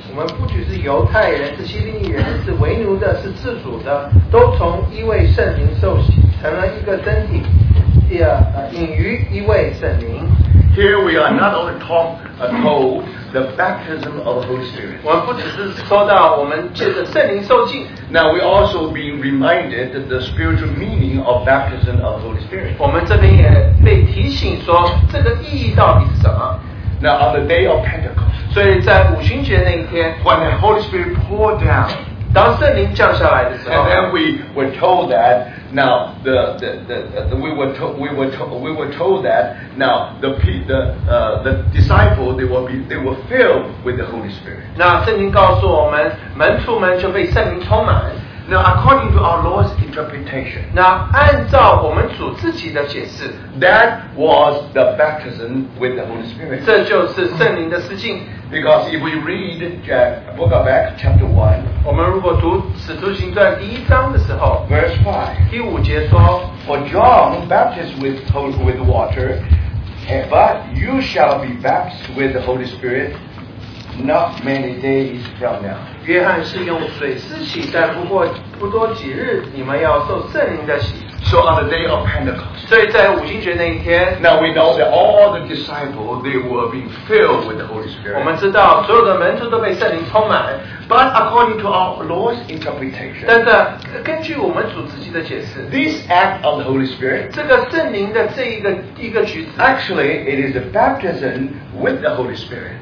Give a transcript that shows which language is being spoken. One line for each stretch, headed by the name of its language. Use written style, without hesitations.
Chinese: 我们不只是犹太人，是希利尼人，是为奴的，是自主的，都从一位圣灵受洗，成了一个身体，隐于一位圣灵。
English: Here we are not only told the baptism of the Holy Spirit.
Chinese: 我们不只是说到我们借着圣灵受浸。
English: Now we also being reminded that the spiritual meaning of baptism of the Holy Spirit.
Chinese: 我们这边也被提醒说这个意义到底是什么。
English: Now on the day of Pentecost.
Chinese: 所以在五旬节那一天。
English: When the Holy Spirit poured down.
Chinese: 当圣灵降下来的时候。
English: And then we were told that. Now, we were told that the disciples, they were filled with the Holy Spirit.
Chinese: 那圣经告诉我们，门徒们就被圣灵充满。
English: Now, according to our Lord's interpretation,
Chinese: 那按照我们主自己的解释，
English: that was the baptism with the Holy Spirit.
Chinese: 这就是圣灵的施浸。
English: Because if we read Book of Acts chapter 1,
Chinese: 我们如果读使徒行传第一章的时候，
English: verse 5,
Chinese: 第五节说，
English: For John baptized with water, but you shall be baptized with the Holy Spirit not many days from now.
Chinese: 约翰是用水施洗，但不过不多几日，你们要受圣灵的洗。
English: So on the day of Pentecost.
Chinese: 所以在五旬节那一天。
English: Now we know that all the disciples they were being filled with the Holy Spirit.
Chinese: 我们知道所有的门徒都被圣灵充满。
English: But according to our Lord's interpretation.
Chinese: 但是根据我们主自己的解释。
English: This act of the Holy Spirit.
Chinese: 这个圣灵的这一个举止。
English: Actually, it is a baptism with the Holy Spirit.